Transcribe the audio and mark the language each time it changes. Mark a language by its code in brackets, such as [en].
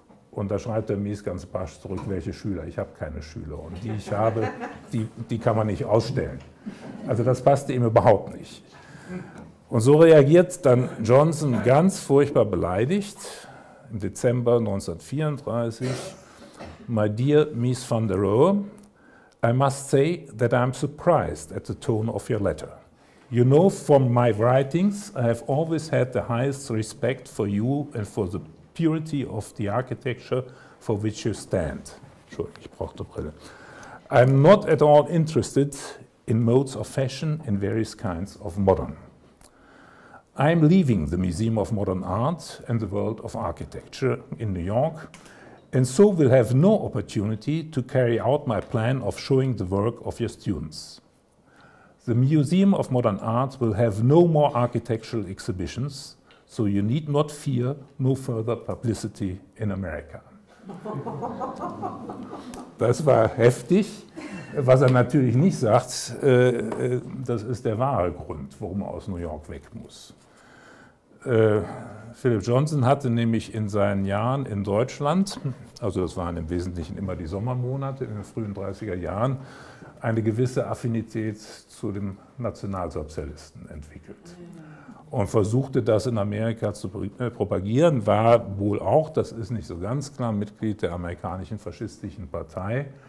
[de] Und da schreibt der Mies ganz barsch zurück, welche Schüler? Ich habe keine Schüler. Und die ich habe, die kann man nicht ausstellen. Also das passte ihm überhaupt nicht. Und so reagiert dann Johnson ganz furchtbar beleidigt im Dezember 1934. [en] My dear Mies van der Rohe, I must say that I am surprised at the tone of your letter. You know from my writings, I have always had the highest respect for you and for the purity of the architecture for which you stand. [de] Entschuldigung, ich brauche die Brille. [en] I am not at all interested in modes of fashion and various kinds of modern. I am leaving the Museum of Modern Art and the World of Architecture in New York, and so will have no opportunity to carry out my plan of showing the work of your students. The Museum of Modern Art will have no more architectural exhibitions, so you need not fear no further publicity in America. [de] Das war heftig. Was er natürlich nicht sagt, das ist der wahre Grund, warum er aus New York weg muss. Philip Johnson hatte nämlich in seinen Jahren in Deutschland, also das waren im Wesentlichen immer die Sommermonate in den frühen 30er Jahren, eine gewisse Affinität zu dem Nationalsozialisten entwickelt und versuchte das in Amerika zu propagieren, war wohl auch, das ist nicht so ganz klar, Mitglied der amerikanischen faschistischen Partei.